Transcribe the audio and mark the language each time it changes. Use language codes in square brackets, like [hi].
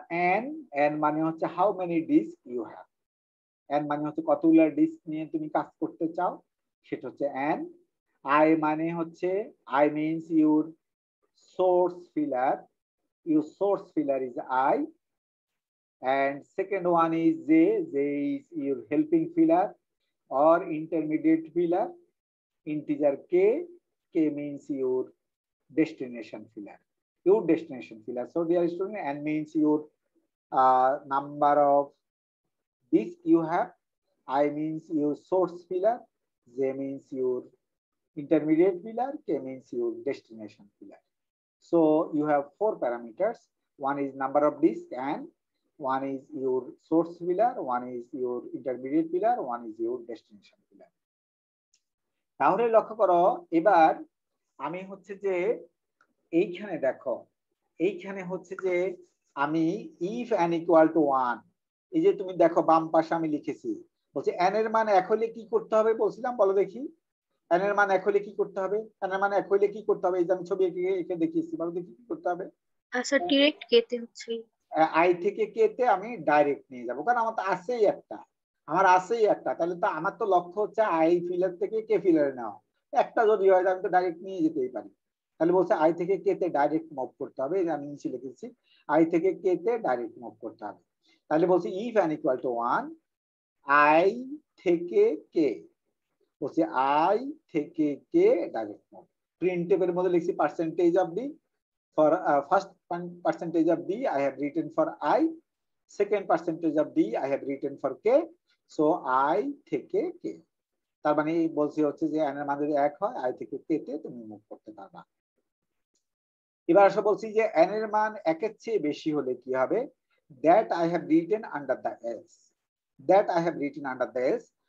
[bn] N N মানে হচ্ছে [en] how many disk you have, [bn] N মানে হচ্ছে কতগুলো ডিস্ক নিয়ে তুমি কাজ করতে চাও সেটা হচ্ছে এন। আই মানে হচ্ছে [en] I means your source filler, your source filler is I. And second one is J, J is your helping filler or intermediate filler. Integer K, K means your destination filler, your destination filler. So dear student, N means your number of disk you have, I means your source filler, J means your intermediate filler, K means your destination filler. So you have four parameters, one is number of disk and one is your source filler, one is your intermediate filler, one is your destination filler. [bn] তাহলে লক্ষ্য করো এবার আমি হচ্ছে যে এইখানে দেখো এইখানে হচ্ছে যে আমি [en] if n equal to 1 [bn] এই যে তুমি দেখো বাম পাশে আমি লিখেছি বলছে n এর মান এক হলে কি করতে হবে বলছিলাম বলো দেখি n এর মান এক হলে কি করতে হবে n এর মান এক হলে কি করতে হবে এই যে আমি ছবি এঁকে এঁকে দেখিয়েছি বলো দেখি কি করতে হবে আচ্ছা ডাইরেক্ট কেটে হচ্ছে আই থেকে কেতে আমি ডাইরেক্ট নিয়ে যাবো কারণ আমার তো আছেই একটা আমার আছেই একটা তাহলে তো আমার তো লক্ষ্য হচ্ছে আই ফিলার থেকে কে ফিলারে নেওয়া একটা যদি হয় আমি তো ডাইরেক্ট নিয়ে যেতেই পারি তাহলে বলছে আই থেকে কেতে ডাইরেক্ট মুভ করতে হবে আমি নিচে লিখেছি আই থেকে কেতে ডাইরেক্ট মুভ করতে হবে তাহলে বলছে [en] if N equal to one [bn] I থেকে কে বলছে আই থেকে কে ডাইরেক্ট মুভ প্রিন্টের মধ্যে লিখছি percentage of D [en] For first percentage of D, I have written for I. Second percentage of D, I have written for K. So I theke K. [bn] তার মানে বলছি হচ্ছে যে n এর মান যদি এক হয় I থেকে K তে তুমি মুভ করতে পারবা। এবার আসলে বলছি যে n এর মান এক এর চেয়ে বেশি হলে কি হবে? [en] That I have written under the else. That I have written under the else.